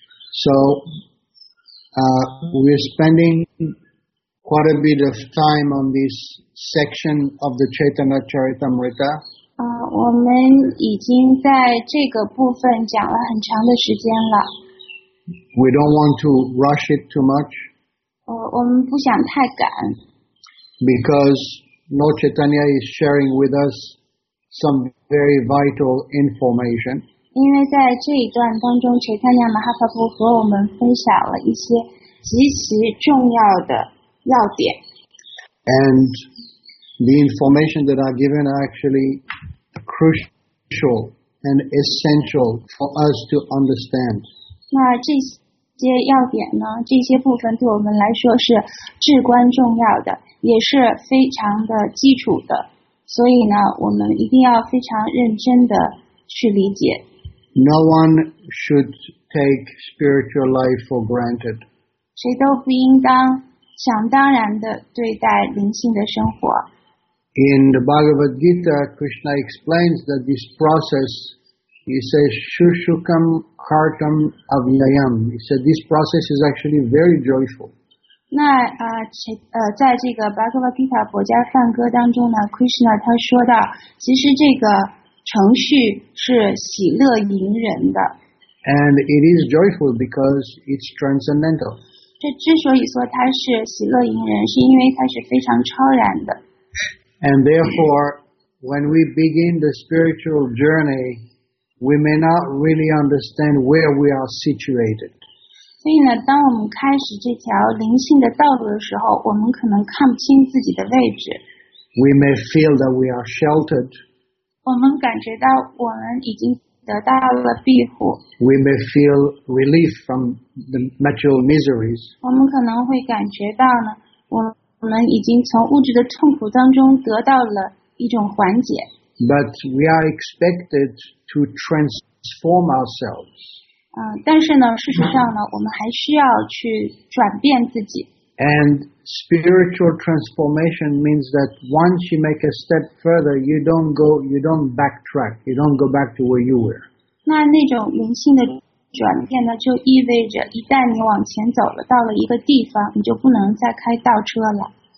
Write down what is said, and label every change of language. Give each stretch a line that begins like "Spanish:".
English: So, we're spending quite a bit of time on this section of the Chaitanya Charitamrita.
Chinese: 我们已经在这个部分讲了很长的时间了。
English: We don't want to rush it too much.
Chinese: 我们不想太赶。
English: Because Lord Chaitanya is sharing with us some very vital information.
Chinese: 因为在这一段当中，钱塔尼亚马哈帕布和我们分享了一些极其重要的要点。
English: And the information that are given are actually crucial and essential for us to understand.
Chinese: 那这些要点呢？这些部分对我们来说是至关重要的，也是非常的基础的。所以呢，我们一定要非常认真的去理解。
English: No one should take spiritual life for granted.
Chinese: 谁都不应当想当然地对待灵性的生活。
English: In the Bhagavad Gita, Krishna explains that this process, he says,
Sanskrit: shushukam kartam avyayam.
English: He said this process is actually very joyful.
Chinese: 那在这个 Bhagavad Gita 佛家梵歌当中呢， Krishna 他说到，其实这个程序是喜乐盈人的。
English: And it is joyful because it's transcendental.
Chinese: 这之所以说它是喜乐盈人，是因为它是非常超然的。
English: And therefore, when we begin the spiritual journey, we may not really understand where we are situated.
Chinese: 所以呢，当我们开始这条灵性的道路的时候，我们可能看不清自己的位置。
English: We may feel that we are sheltered.
Chinese: 我们感觉到我们已经得到了庇护。
English: We may feel relief from the material miseries.
Chinese: 我们可能会感觉到呢，我们已经从物质的痛苦当中得到了一种缓解。
English: But we are expected to transform ourselves.
Chinese: 但是呢，事实上呢，我们还需要去转变自己。
English: And spiritual transformation means that once you make a step further, you don't backtrack, you don't go back to where you were.
Chinese: 那种灵性的转变呢，就意味着一旦你往前走了，到了一个地方，你就不能再开倒车了。